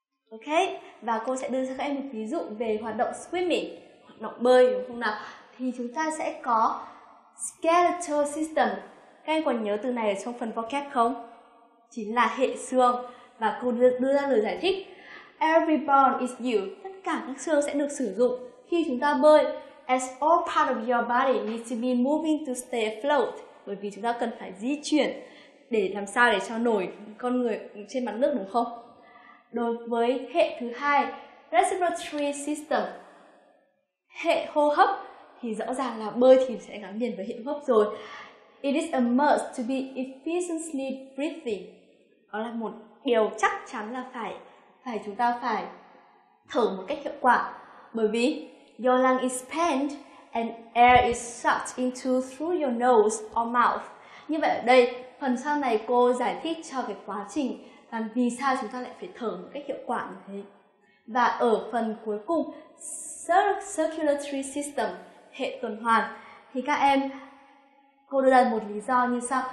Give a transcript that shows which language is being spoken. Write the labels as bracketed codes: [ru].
[vi] Ok, và cô sẽ đưa cho các em một ví dụ về hoạt động swimming, hoạt động bơi đúng không nào? Thì chúng ta sẽ có skeletal system. Các em còn nhớ từ này ở trong phần vocab không? Chính là hệ xương. Và cô đưa ra lời giải thích. [en] Every bone is used. [vi] Tất cả các xương sẽ được sử dụng khi chúng ta bơi. [en] As all part of your body needs to be moving to stay afloat. [vi] Bởi vì chúng ta cần phải di chuyển để làm sao để cho nổi con người trên mặt nước đúng không? Đối với hệ thứ hai, respiratory system, hệ hô hấp, thì rõ ràng là bơi thì sẽ gắn liền với hệ hô hấp rồi. [en] It is a must to be efficiently breathing. [vi] Đó là một điều chắc chắn là phải chúng ta phải thở một cách hiệu quả. Bởi vì [en] your lung is pent and air is sucked into through your nose or mouth. [vi] Như vậy ở đây, phần sau này cô giải thích cho cái quá trình và vì sao chúng ta lại phải thở một cách hiệu quả như thế. Và ở phần cuối cùng, circulatory system, hệ tuần hoàn, thì các em, cô đưa ra một lý do như sau.